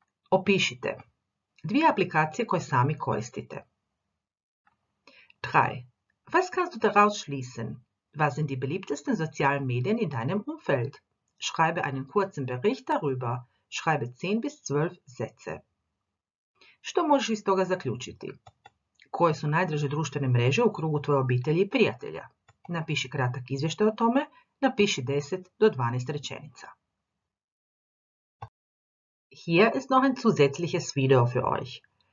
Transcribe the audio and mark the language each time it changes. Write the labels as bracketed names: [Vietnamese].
[Croatian] Opišite. 2 aplikacije koje sami koristite. 3. [German] Was kannst du daraus schließen? Was sind die beliebtesten sozialen Medien in deinem Umfeld? Schreibe einen kurzen Bericht darüber. Schreibe 10 bis 12 Sätze. [Croatian] Što možeš iz toga zaključiti? Koje su najdraže društvene mreže u krugu tvoje obitelji i prijatelja? Napiši kratak izvještaj o tome. Napiši 10 do 12 rečenica. [German] Hier ist noch ein zusätzliches Video für euch.